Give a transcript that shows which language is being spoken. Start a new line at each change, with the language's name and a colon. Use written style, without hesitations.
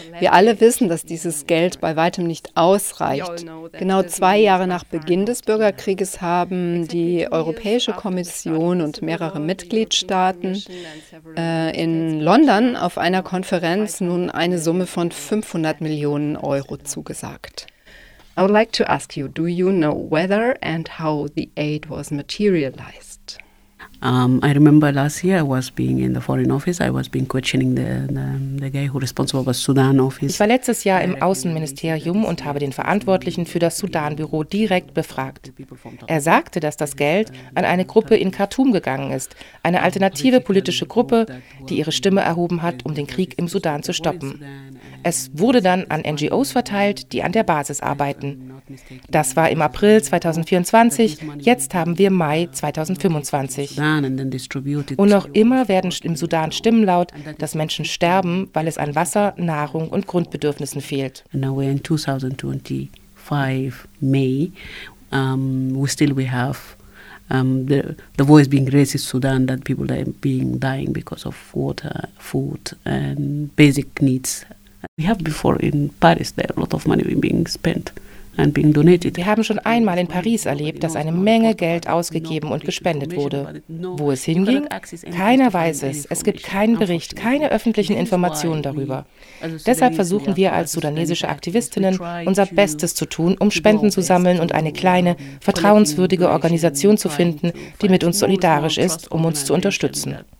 German: Wir alle wissen, dass dieses Geld bei weitem nicht ausreicht. Genau 2 Jahre nach Beginn des Bürgerkrieges haben die Europäische Kommission und mehrere Mitgliedstaaten in London auf einer Konferenz nun eine Summe von 500 Millionen Euro zugesagt.
English: I would like to ask you, do you know whether and how the aid was materialized? I remember last year I was being in the Foreign Office. I was being questioning the guy who responsible was Sudan Office.
German: Ich war letztes Jahr im Außenministerium und habe den Verantwortlichen für das Sudanbüro direkt befragt. Er sagte, dass das Geld an eine Gruppe in Khartoum gegangen ist, eine alternative politische Gruppe, die ihre Stimme erhoben hat, um den Krieg im Sudan zu stoppen. Es wurde dann an NGOs verteilt, die an der Basis arbeiten. Das war im April 2024, jetzt haben wir Mai 2025. Und noch immer werden im Sudan Stimmen laut, dass Menschen sterben, weil es an Wasser, Nahrung und Grundbedürfnissen fehlt. Und jetzt sind wir im Mai 2025. Wir haben
English: the voice being raised in Sudan that people are being dying because of water, food and basic needs. We have before in Paris there a lot of money being spent. and being donated.
German: Wir haben schon einmal in Paris erlebt, dass eine Menge Geld ausgegeben und gespendet wurde. Wo es hinging? Keiner weiß es. Es gibt keinen Bericht, keine öffentlichen Informationen darüber. Deshalb versuchen wir als sudanesische Aktivistinnen unser Bestes zu tun, um Spenden zu sammeln und eine kleine, vertrauenswürdige Organisation zu finden, die mit uns solidarisch ist, um uns zu unterstützen.